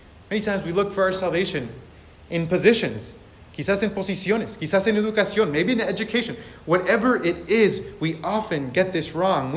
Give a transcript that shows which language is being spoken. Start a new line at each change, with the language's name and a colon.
English: Many times we look for our salvation in positions.
Spanish: Quizás en posiciones, quizás en educación,
English: maybe in education. Whatever it is, we often get this wrong.